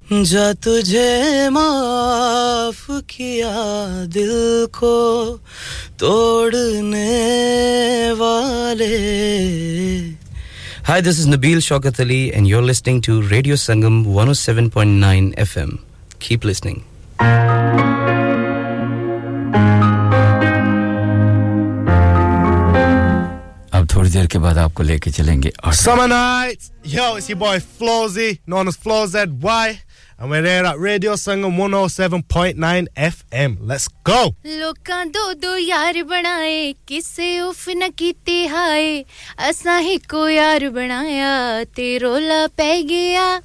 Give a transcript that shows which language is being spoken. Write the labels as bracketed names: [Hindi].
[Hindi] जा तुझे माफ किया दिल को तोड़ने वाले। [English] Hi, this is Nabeel Shaukat Ali and you're listening to Radio Sangam 107.9 FM. Keep listening. [Hindi] अब थोड़ी देर के बाद आपको लेके चलेंगे [English] Summer Nights. Yo, it's your boy Flozy, known as FlozZY. And we're here at Radio Sangam 107.9 FM. Let's go! [Punjabi] ਲੋਕਾਂ ਦੋ ਦੋ ਯਾਰ ਬਣਾਏ ਕਿਸੇ ਉਫ ਨਾ ਕੀਤੀ ਹਾਏ ਅਸਾਂ ਹੀ ਕੋ ਯਾਰ ਬਣਾਇਆ ਤੇ ਰੋਲਾ ਪੈ ਗਿਆ